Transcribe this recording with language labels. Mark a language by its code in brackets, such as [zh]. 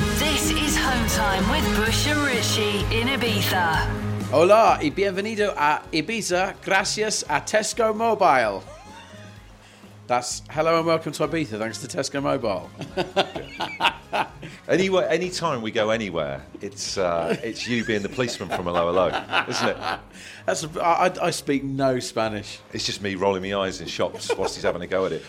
[en] This is Home Time with Bush and Richie in Ibiza. [es] Hola y bienvenido a Ibiza, gracias a Tesco Mobile. [en] That's hello and welcome to Ibiza, thanks to Tesco Mobile. Anyway, any time we go anywhere, it's you being the policeman from Hello Hello, isn't it? I speak no Spanish. It's just me rolling my eyes in shops whilst he's having a go at it.